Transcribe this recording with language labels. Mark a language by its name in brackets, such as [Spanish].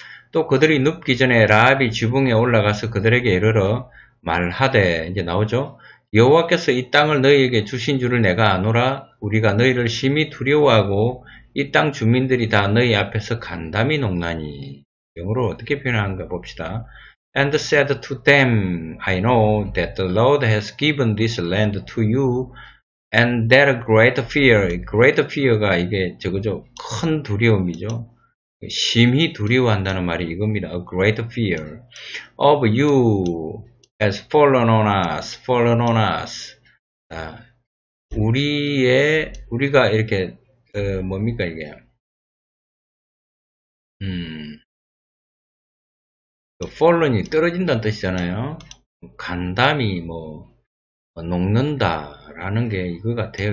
[Korean] 또 그들이 눕기 전에 라합이 지붕에 올라가서 그들에게 이르러 말하되, 이제 나오죠? 여호와께서 이 땅을 너희에게 주신 줄을 내가 아노라. 우리가 너희를 심히 두려워하고 이 땅 주민들이 다 너희 앞에서 간담이 녹나니. 영어로 어떻게 표현하는가 봅시다. [English] And said to them, I know that the Lord has given this land to you, and that a great fear, great fear가 [Korean] 이게 저거죠. 큰 두려움이죠. 심히 두려워한다는 말이 이겁니다. [English] A great fear of you has fallen on us. [Korean] 아, 우리가 이렇게, 뭡니까, 이게. 폴론이 떨어진다는 뜻이잖아요. 간담이 녹는다라는 게 이거 같아요.